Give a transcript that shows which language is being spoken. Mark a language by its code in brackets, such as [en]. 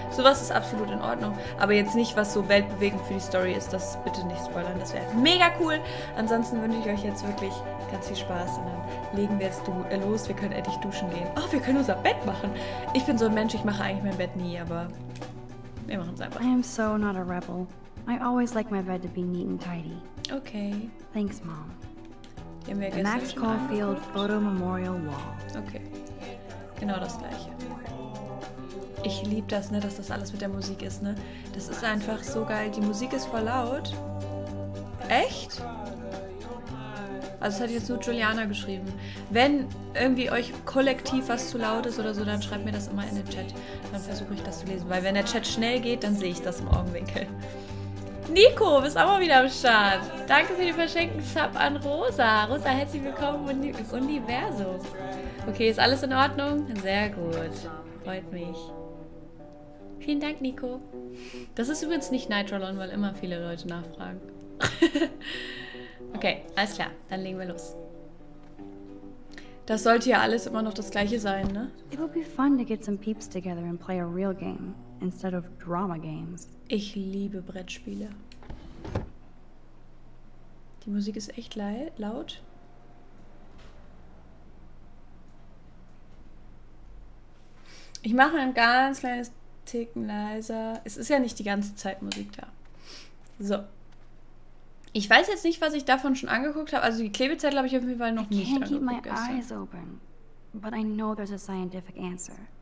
[de] Sowas ist absolut in Ordnung, aber jetzt nicht, was so weltbewegend für die Story ist, das bitte nicht spoilern, das wäre mega cool. Ansonsten wünsche ich euch jetzt wirklich ganz viel Spaß und dann legen wir jetzt los, wir können endlich duschen gehen. Oh, wir können unser Bett machen. Ich bin so ein Mensch, ich mache eigentlich mein Bett nie, aber... [en] I am so not a rebel. I always like my bed to be neat and tidy. Okay. Thanks, Mom. [de] den wir gestern [en] Max Caulfield Photo Memorial Wall. [de] Okay. Genau das gleiche. Ich liebe das, ne, dass das alles mit der Musik ist, ne? Das ist einfach so geil. Die Musik ist voll laut. Echt? Also das hat jetzt nur Juliana geschrieben. Wenn irgendwie euch kollektiv was zu laut ist oder so, dann schreibt mir das immer in den Chat. Dann versuche ich das zu lesen. Weil wenn der Chat schnell geht, dann sehe ich das im Augenwinkel. Nico, bist auch mal wieder am Start. Danke für den verschenkten Sub an Rosa. Rosa, herzlich willkommen im Universum. Okay, ist alles in Ordnung? Sehr gut. Freut mich. Vielen Dank, Nico. Das ist übrigens nicht Nitrolon, weil immer viele Leute nachfragen. Okay, alles klar, dann legen wir los. Das sollte ja alles immer noch das gleiche sein, ne? [en] It would be fun to get some peeps together and play a real game instead of drama games. [de] Ich liebe Brettspiele. Die Musik ist echt laut. Ich mache ein ganz kleines Ticken leiser. Es ist ja nicht die ganze Zeit Musik da. So. Ich weiß jetzt nicht, was ich davon schon angeguckt habe. Also die Klebezettel habe ich auf jeden Fall noch nicht angeguckt. [en] I can't keep my eyes open, but I know there's a scientific answer.